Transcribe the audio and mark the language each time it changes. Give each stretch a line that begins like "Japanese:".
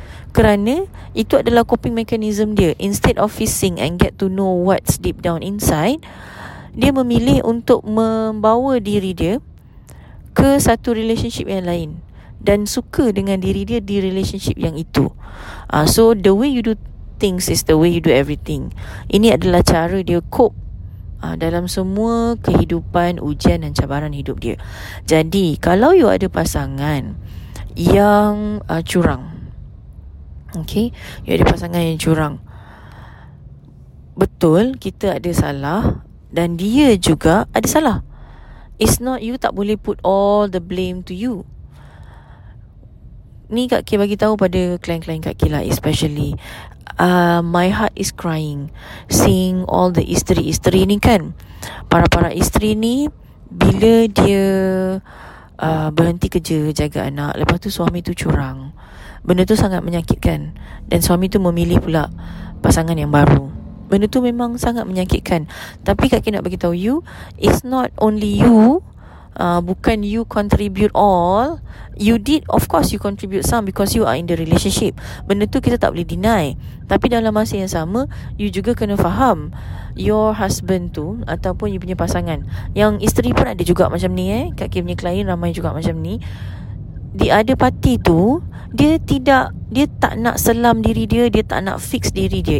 Malay: Kerana itu adalah coping mechanism dia.
English: Instead of fixing and get to know what's deep down inside,
Malay: dia memilih untuk membawa diri dia ke satu relationship yang lain dan suka dengan diri dia di relationship yang itu.
English: So the way you do things is the way you do everything.
Malay: Ini adalah cara dia cope dalam semua kehidupan, ujian dan cabaran hidup dia. Jadi kalau you ada pasangan yang curang, okay, you ada pasangan yang curang, betul kita ada salah dan dia juga ada salah.
English: It's not, you
Malay: tak boleh
English: put all the blame to you.
Malay: Ni Kak K bagi tahu pada klien-klien Kak K lah,
English: especially my heart is crying seeing all the
Malay: isteri-isteri ni kan. Para-para isteri ni bila dia berhenti kerja jaga anak, lepas tu suami tu curang, benda tu sangat menyakitkan. Dan suami tu memilih pula pasangan yang baru, benda tu memang sangat menyakitkan. Tapi Kak K nak bagi tahu you,
English: it's not only you.
Malay: Bukan
English: you contribute all. You did, of course you contribute some because you are in the relationship.
Malay: Benda tu kita tak boleh deny. Tapi dalam masa yang sama, you juga kena faham your husband tu ataupun you punya pasangan. Yang isteri pun ada juga macam ni eh. Kak Kim punya klien ramai juga macam ni.
English: The other party
Malay: tu, dia tak nak selam diri dia, dia tak nak fix diri dia.